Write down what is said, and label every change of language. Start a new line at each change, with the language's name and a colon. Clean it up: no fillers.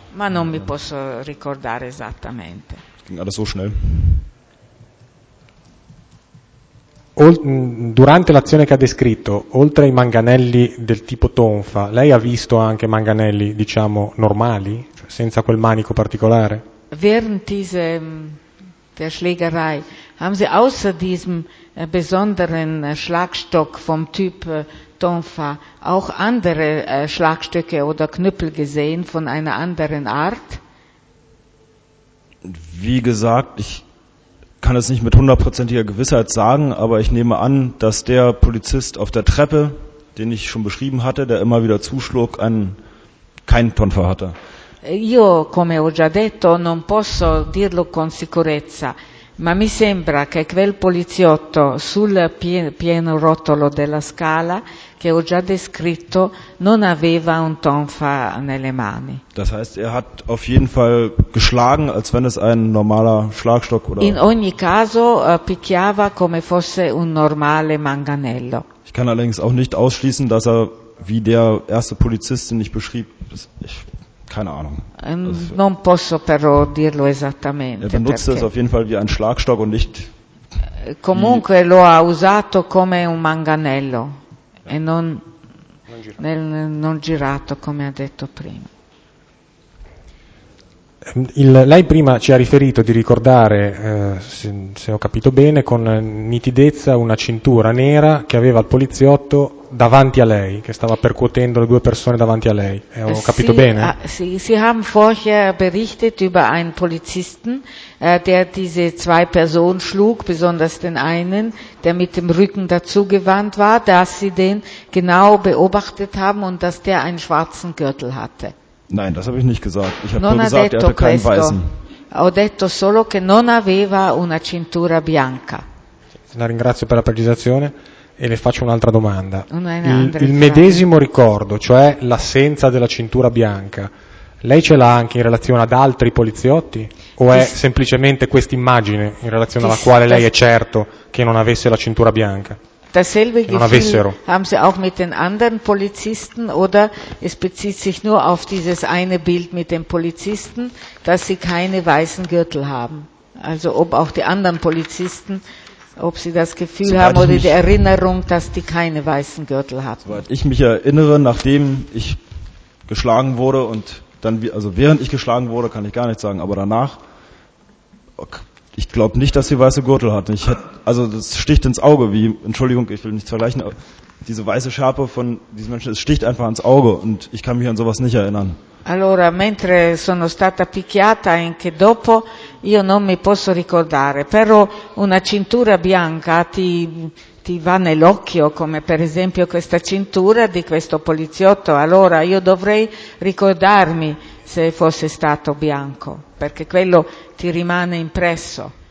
Italian: Ma non mi posso ricordare esattamente.
German: Ging alles so schnell.
Italian: Durante l'azione che ha descritto, oltre ai manganelli del tipo tonfa, lei ha visto anche manganelli, diciamo, normali, cioè senza quel manico particolare?
German: Während dieser Schlägerei haben Sie außer diesem besonderen Schlagstock vom Typ tonfa auch andere Schlagstöcke oder Knüppel gesehen von einer anderen Art? Wie gesagt, ich kann es nicht mit hundertprozentiger Gewissheit sagen, aber ich nehme an, dass der Polizist auf der Treppe, den ich schon beschrieben hatte, der immer wieder zuschlug, keinen Tonfa hatte.
Italian: Io, come ho già detto, non posso dirlo con sicurezza, ma mi sembra che quel poliziotto sul pieno rotolo della scala, che ho già descritto, non aveva un tonfa nelle mani.
German: Das heißt, hat auf jeden Fall geschlagen, als wenn es ein normaler Schlagstock oder.
Italian: In ogni caso picchiava come fosse un normale manganello.
German: Ich kann allerdings auch nicht ausschließen, dass er, wie der erste Polizist, den ich beschrieb, keine Ahnung.
Italian: Non posso però dirlo esattamente.
German: Er benutzte es auf jeden Fall wie ein Schlagstock und nicht.
Italian: Comunque lo ha usato come un manganello. E non girato come ha detto prima. Lei prima ci ha riferito di ricordare, se ho capito bene, con nitidezza una cintura nera che aveva il poliziotto davanti a lei, che stava percuotendo le due persone davanti a lei. Ho capito bene?
German: Sie haben vorher berichtet über einen Polizisten, der diese zwei Personen schlug, besonders den einen, der mit dem Rücken dazugewandt war, dass sie den genau beobachtet haben und dass der einen schwarzen Gürtel hatte. Nein, das habe ich nicht gesagt. Ich habe nur gesagt, er hatte keinen weißen.
Italian: Ho detto solo che non aveva una cintura bianca. La ringrazio per la precisazione e le faccio un'altra domanda. Il medesimo ricordo, cioè l'assenza della cintura bianca, lei ce l'ha anche in relazione ad altri poliziotti? O è semplicemente questa immagine in relazione alla quale lei è certo che non avesse la cintura bianca?
German: Dasselbe Gefühl haben Sie auch mit den anderen Polizisten oder es bezieht sich nur auf dieses eine Bild mit den Polizisten, dass sie keine weißen Gürtel haben. Also ob auch die anderen Polizisten, ob sie das Gefühl soweit haben oder die Erinnerung, dass die keine weißen Gürtel hatten. Soweit ich mich erinnere, nachdem ich geschlagen wurde und dann, also während ich geschlagen wurde, kann ich gar nichts sagen, aber danach, okay. Ich glaube nicht, dass sie weiße Gürtel hat. Also das sticht ins Auge. Entschuldigung, ich will nichts vergleichen. Diese weiße Schärpe von diesen Menschen, es sticht einfach ins Auge und ich kann mich an sowas nicht erinnern.
Italian: Allora, mentre sono stata picchiata anche dopo, io non mi posso ricordare. Però una cintura bianca ti va nell'occhio, come per esempio questa cintura di questo poliziotto. Allora io dovrei ricordarmi se fosse stato bianco, perché quello ti rimane impresso.